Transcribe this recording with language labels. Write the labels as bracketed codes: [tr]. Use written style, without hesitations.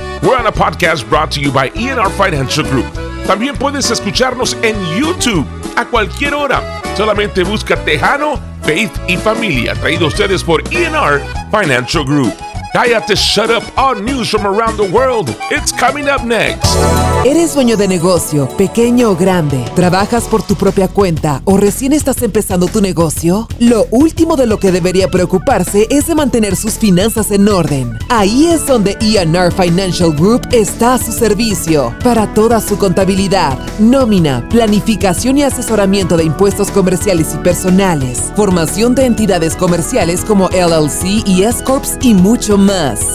[en] We're on a podcast brought to you by E&R Financial Group. [es] También puedes escucharnos en YouTube a cualquier hora. Solamente busca Tejano Faith y Familia, traído ustedes por E&R Financial Group. [en] Cállate, shut up, all news from around the world. It's coming up next. [es] ¿Eres dueño de negocio, pequeño o grande? ¿Trabajas por tu propia cuenta o recién estás empezando tu negocio? Lo último de lo que debería preocuparse es de mantener sus finanzas en orden. Ahí es donde E&R Financial Group está a su servicio. Para toda su contabilidad, nómina, planificación y asesoramiento de impuestos comerciales y personales, formación de entidades comerciales como LLC y S-Corps y mucho más.